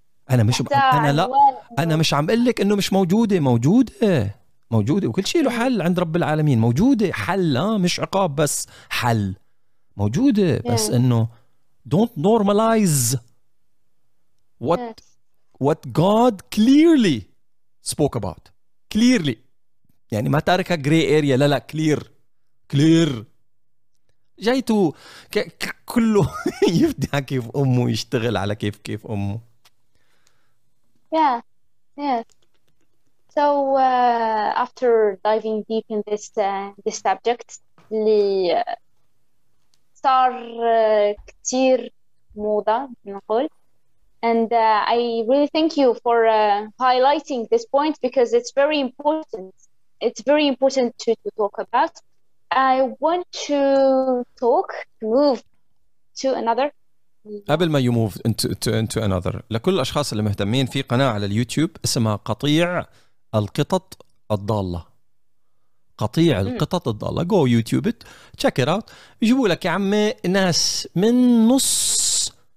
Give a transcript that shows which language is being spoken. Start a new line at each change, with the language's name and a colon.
Arabic: أنا مش أنا لا أنا مش عم أقول لك إنه مش موجودة، موجودة موجودة، وكل شيء له حل عند رب العالمين، موجودة حل، مش عقاب بس، حل موجودة، بس إنه
English: don't normalize what God clearly spoke about clearly،
Arabic: يعني ما تاركها gray area، لا لا clear clear جايته كله يفدي على كيف أمه، يشتغل على كيف كيف أمه.
English: Yeah, yes. So after diving deep in this this subject,
Arabic: اللي صار كتير موضة نقول,
English: and I really thank you for highlighting this point because it's very important. It's very important to talk about. I want to talk, move to another.
Arabic: قبل ما
English: يموف into another,
Arabic: لكل الاشخاص اللي مهتمين في قناة على اليوتيوب اسمها قطيع القطط الضالة، قطيع القطط الضالة،
English: go YouTube at check it out,
Arabic: يجيبوا لك يا عمي ناس من نص